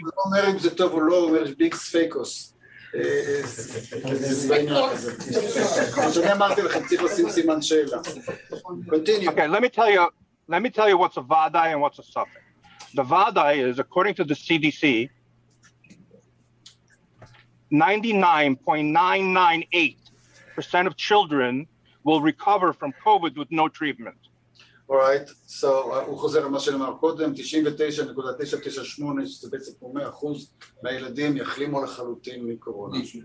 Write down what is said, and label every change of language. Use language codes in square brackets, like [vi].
[he] לא אומר אם זה טוב או לא, הוא אומר ביג ספקוס. אז אני אמרתי לכם, צריך לשים סימן שאלה. [en] Continue. Okay, let me tell you what's a vadai and what's a suffix. The vadai is, according to the CDC, 99.998% of children will recover from COVID with no treatment. All right, so [he] הוא חוזר למה שנאמר קודם, 99.998, זה בעצם כמו 100% מהילדים יחלימו לחלוטין מקורונה.